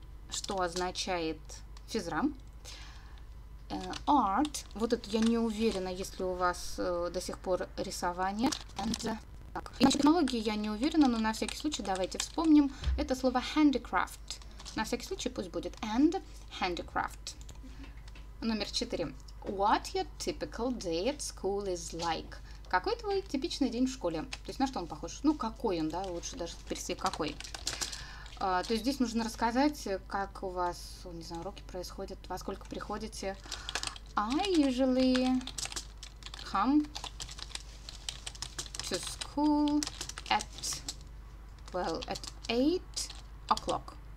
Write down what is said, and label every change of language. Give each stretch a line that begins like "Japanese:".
Russian: Что означает физра. Art. Вот это я не уверена, если у вас до сих пор рисование. And, так. И технологии я не уверена, но на всякий случай давайте вспомним. Это слово handicraft. На всякий случай пусть будет.
English: And handicraft.
Russian: Номер 4.
English: What your typical day at school is like?
Russian: Какой твой типичный день в школе? То есть на что он похож? Ну, какой он, да? Лучше даже пересечь, какой. То есть здесь нужно рассказать, как у вас, не знаю, уроки происходят, во сколько приходите.
English: I usually come to school at, well, at 8 o'clock.